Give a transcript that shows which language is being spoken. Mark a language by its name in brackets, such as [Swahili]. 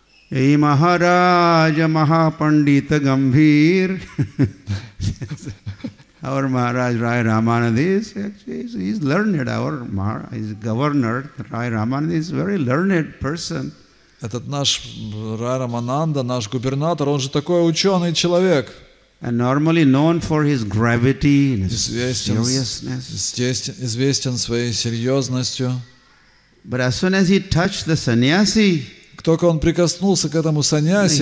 [Bangla] Эй, Махарадж, Махапандита Гамбир. [English] Our Махарадж Рай Раманади is actually, he's learned. Our Махарадж, his governor, Рай Раманади is a very learned person. [Russian] Этот наш Рай Рамананда, наш губернатор, он же такой ученый человек. [English] And normally known for his gravity and his seriousness. [Russian] Известен своей серьезностью. [English] But as soon as he touched the sannyasi, [Russian] только он прикоснулся к этому саньяси,